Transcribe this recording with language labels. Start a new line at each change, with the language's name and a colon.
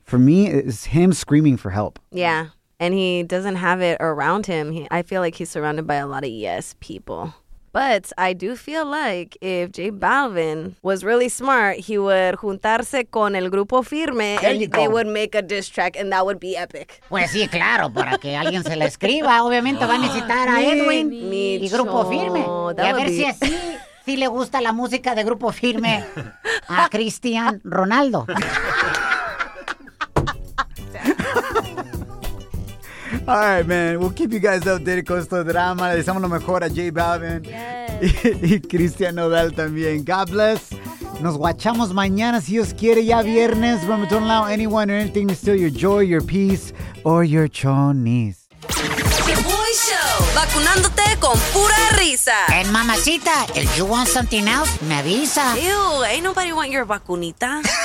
English: For me, it's him screaming for help. Yeah. And he doesn't have it around him. I feel like he's surrounded by a lot of yes people. But I do feel like if J Balvin was really smart, he would
Spanish: juntarse con el Grupo Firme
English: and they would make a diss track and that would be epic.
Spanish: Pues sí, claro, para que alguien se le escriba. Obviamente va a necesitar a Edwin y Grupo Firme. Y a ver si así, si le gusta la música de Grupo Firme a Cristian Ronaldo.
English: All right, man. We'll keep you guys updated
Spanish: con esto drama. Le deseamos lo mejor a J Balvin.
English: Yes.
Spanish: Y Cristian Nodal también.
English: God bless.
Spanish: Nos guachamos mañana, si Dios quiere, ya viernes.
English: But don't allow anyone or anything to steal your joy, your peace, or your chonies.
Spanish: The Boy Show. Vacunándote con pura risa.
English: And mamacita, if you want something else,
Spanish: me avisa.
English: Ew, ain't nobody want your vacunita.